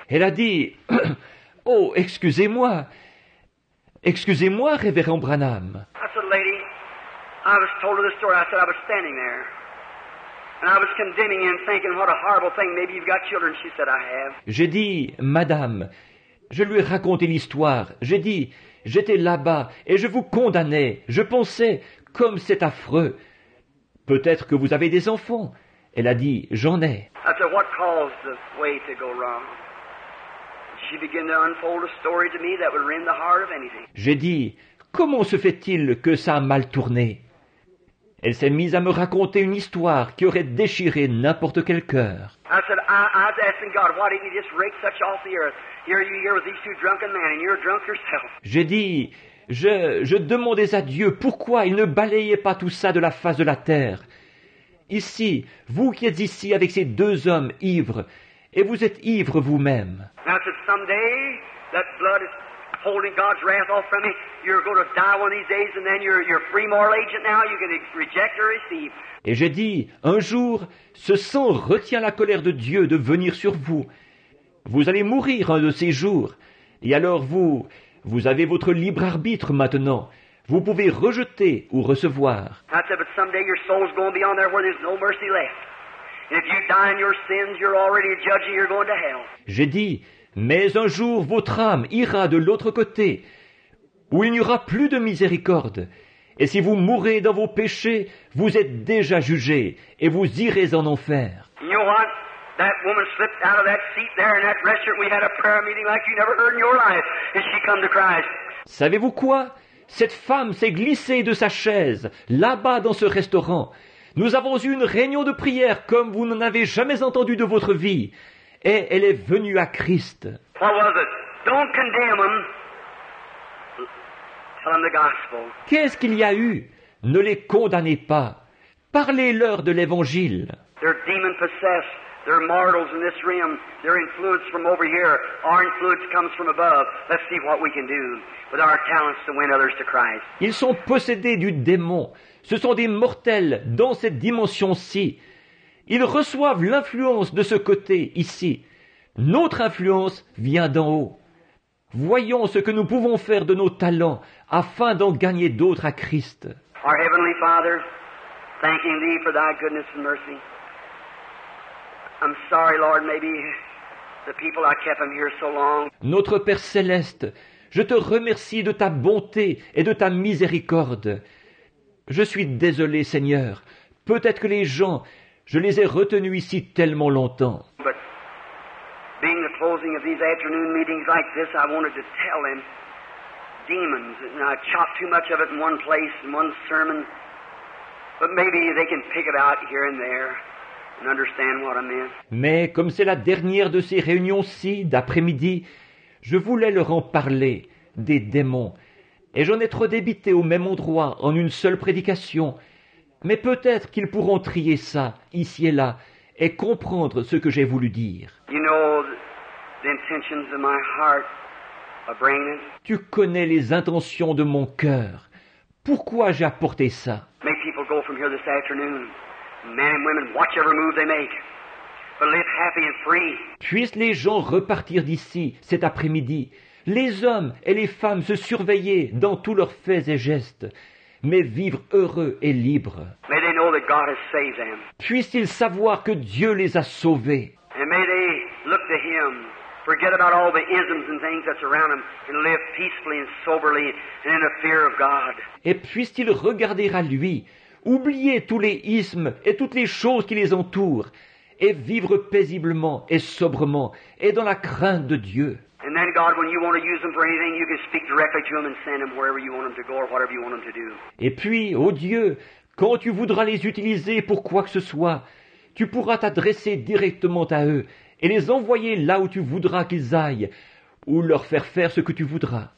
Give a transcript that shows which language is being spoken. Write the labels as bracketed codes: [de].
[fr] Elle a dit, oh, excusez-moi. Excusez-moi, Révérend Branham. [en] I said, lady, I was told her the story. I said, I was standing there. And I was condemning him, thinking, what a horrible thing. Maybe you've got children. She said, I have. [fr] J'ai dit, madame, je lui ai raconté l'histoire. J'ai dit, j'étais là-bas et je vous condamnais. Je pensais, comme c'est affreux. Peut-être que vous avez des enfants. Elle a dit, j'en ai. [en] I said, what caused the way to go wrong? She began to unfold a story to me that would rend the heart of anything. [fr] J'ai dit, comment se fait-il que ça a mal tourné? Elle s'est mise à me raconter une histoire qui aurait déchiré n'importe quel cœur. [en] I said, I was asking God, why didn't you just rake such off the earth? Here you here with these two drunken men and you're drunk yourself. [fr] J'ai dit, je demandais à Dieu pourquoi il ne balayait pas tout ça de la face de la terre. Ici, vous qui êtes ici avec ces deux hommes ivres, et vous êtes ivre vous-même. [en] I said, someday, that blood is holding God's wrath off from me. You're going to die one of these days, and then you're a free moral agent now. You can reject or receive. [fr] Et j'ai dit, un jour, ce sang retient la colère de Dieu de venir sur vous. Vous allez mourir un de ces jours. Et alors vous avez votre libre arbitre maintenant. Vous pouvez rejeter ou recevoir. [en] I said, but someday your soul's going to be on there where there's no mercy left. If you die in your sins, you're already a judge and you're going to hell. [fr] J'ai dit, mais un jour votre âme ira de l'autre côté, où il n'y aura plus de miséricorde. Et si vous mourrez dans vos péchés, vous êtes déjà jugé et vous irez en enfer. [en] You know what? That woman slipped out of that seat there in that restaurant. We had a prayer meeting like you never heard in your life. And she come to Christ. [fr] Savez-vous quoi? Cette femme s'est glissée de sa chaise, là-bas dans ce restaurant. Nous avons eu une réunion de prière comme vous n'en avez jamais entendu de votre vie. Et elle est venue à Christ. [en] What was it? Don't condemn them. Tell them the gospel. [fr] Qu'est-ce qu'il y a eu? Ne les condamnez pas. Parlez-leur de l'évangile. [en] They're demon-possessed. They're mortals in this realm. They're influenced from over here. Our influence comes from above. Let's see what we can do with our talents to win others to Christ. [fr] Ils sont possédés du démon. Ce sont des mortels dans cette dimension-ci. Ils reçoivent l'influence de ce côté, ici. Notre influence vient d'en haut. Voyons ce que nous pouvons faire de nos talents afin d'en gagner d'autres à Christ. [en] Our Heavenly Father, thanking Thee for Thy goodness and mercy. I'm sorry, Lord, maybe the people I kept them here so long. [fr] Notre Père Céleste, je te remercie de ta bonté et de ta miséricorde. Je suis désolé, Seigneur. Peut-être que les gens, je les ai retenus ici tellement longtemps. [en] But being the closing of these afternoon meetings like this, I wanted to tell them, demons, and I chopped too much of it in one place, in one sermon, but maybe they can pick it out here and there and understand what I meant. [fr] Mais comme c'est la dernière de ces réunions-ci d'après-midi, je voulais leur en parler, des démons. Et j'en ai trop débité au même endroit en une seule prédication. Mais peut-être qu'ils pourront trier ça, ici et là, et comprendre ce que j'ai voulu dire. [en] You know, the intentions of my heart are bringing. [fr] Tu connais les intentions de mon cœur. Pourquoi j'ai apporté ça? [en] Make people go from here this afternoon. Men and women, watch every move they make. But live happy and free. [fr] Puissent les gens repartir d'ici cet après-midi. les hommes et les femmes se surveiller dans tous leurs faits et gestes, mais vivre heureux et libres. [en] May they know that God has saved them. [fr] Puissent-ils savoir que Dieu les a sauvés. [en] And may they look to Him, forget about all the isms and things that surround them, and live peacefully and soberly and in the fear of God. [fr] Et puissent-ils regarder à Lui, oublier tous les ismes et toutes les choses qui les entourent, et vivre paisiblement et sobrement et dans la crainte de Dieu. [en] And then God, when you want to use them for anything, you can speak directly to them and send them wherever you want them to go or whatever you want them to do. [fr] Et puis, ô Dieu, quand tu voudras les utiliser pour quoi que ce soit, tu pourras t'adresser directement à eux et les envoyer là où tu voudras qu'ils aillent ou leur faire faire ce que tu voudras.